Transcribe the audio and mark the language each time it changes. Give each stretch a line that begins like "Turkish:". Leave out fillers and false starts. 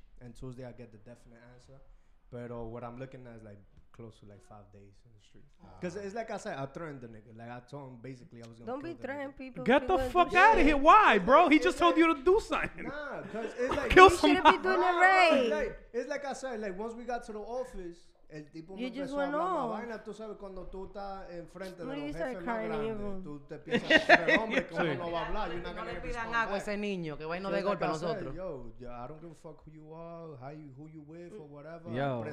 English: And Tuesday I get the definite answer. But what I'm looking at is like close to like 5 days in the street. Because it's like I said, I threatened the nigga. Like I told him basically I was going to Don't be threatening people. Get people the fuck out of here. Why, bro? He just told you to do something. Nah, because it's like. Kill you should be doing it right. It's like I said, like once we got to the office.
Spanish: El tipo me empezó a hablar una vaina, tú sabes, cuando tú estás enfrente de los jefes más grandes, tú te piensas, hombre, ¿cómo no va a hablar? No le pidan agua a ese niño, que va y no de golpe a nosotros.
English: Yo, I don't give a fuck who you are, who you with, or whatever.